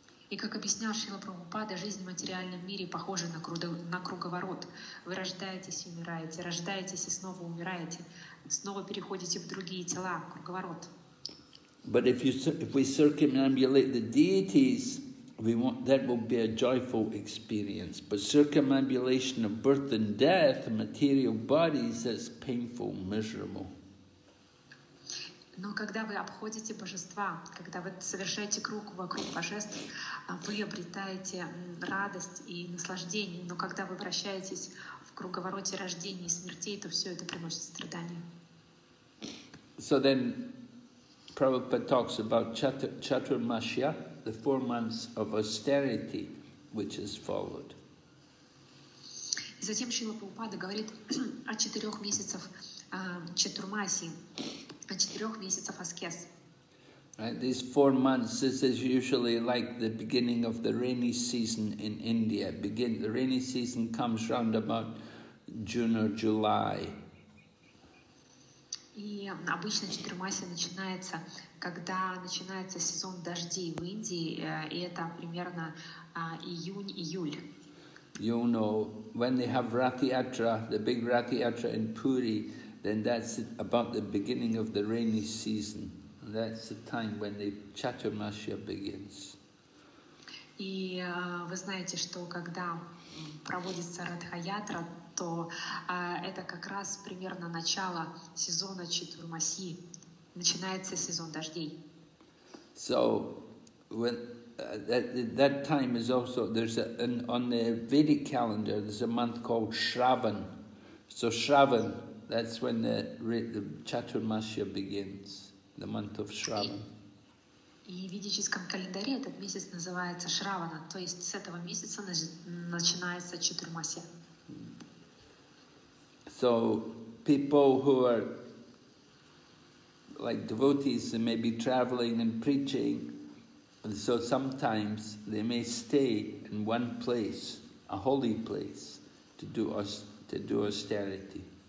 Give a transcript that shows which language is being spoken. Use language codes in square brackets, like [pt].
[ru] И как объяснял Шрила Прабхупада, жизнь в материальном мире похожа на круговорот. Вы рождаетесь и умираете, рождаетесь и снова умираете, снова переходите в другие тела, круговорот. [en] But if we circumambulate the deities, that will be a joyful experience. But circumambulation of birth and death, material bodies, that's painful, miserable. [ru] Но когда вы обходите божества, когда вы совершаете круг вокруг божеств, вы обретаете радость и наслаждение. Но когда вы вращаетесь в круговороте рождения и смертей, то все это приносит страдания. [en] So then Prabhupada talks about Chaturmasya, the 4 months of austerity, which is followed. [ru] Затем Шрила Прабхупада говорит о 4 месяцах Чатурмасии, о 4 месяцах аскез. [en] Right, these 4 months, this is usually like the beginning of the rainy season in India. The rainy season comes round about June or July. [ru] И обычно Чатурмасия начинается, когда начинается сезон дождей в Индии, и это примерно июнь-июль. [en] You know, when they have Rath Yatra, the big Rath Yatra in Puri, then that's about the beginning of the rainy season. And that's the time when the Chaturmasya begins. [ru] И вы знаете, что когда проводится Ратха Ятра, то это как раз примерно начало сезона Чатурмаси, начинается сезон дождей. [en] So, when that time is also, there's on the Vedic calendar, there's a month called Shravan. So Shravan, that's when the Chaturmasya begins, the month of Shravan. [ru] И в ведическом календаре этот месяц называется Шравана, то есть с этого месяца начинается Чатурмасия. [en] So people who are like devotees and maybe traveling and preaching, so sometimes they may stay in one place, a holy place, to do austerity.